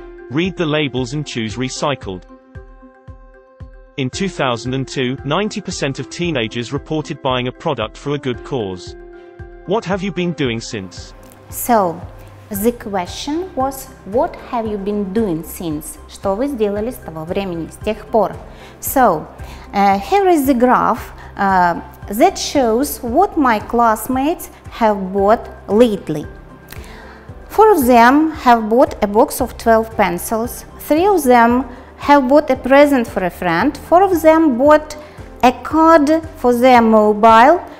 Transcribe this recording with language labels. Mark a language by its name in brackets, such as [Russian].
[English] Read the labels and choose recycled. In 2002, 90% of teenagers reported buying a product for a good cause. What have you been doing since? So, the question was, what have you been doing since? [Russian] Что вы сделали с того времени, с тех пор? [English] So, here is the graph that shows what my classmates have bought lately. Four of them have bought a box of 12 pencils. Three of them have bought a present for a friend. Four of them bought a card for their mobile.